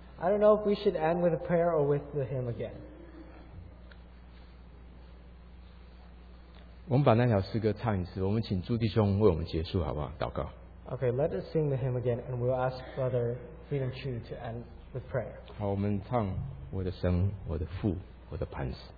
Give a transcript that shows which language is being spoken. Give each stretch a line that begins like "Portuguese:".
English: I don't know if we should end with a prayer or with the hymn again.
Chinese: 我们把那条诗歌唱一次，我们请朱弟兄为我们结束好不好？祷告。
English: Okay, let us sing the hymn again, and we'll ask Brother Freedom Chu to end with prayer.
Chinese: 好，我们唱我的神，我的父，我的磐石。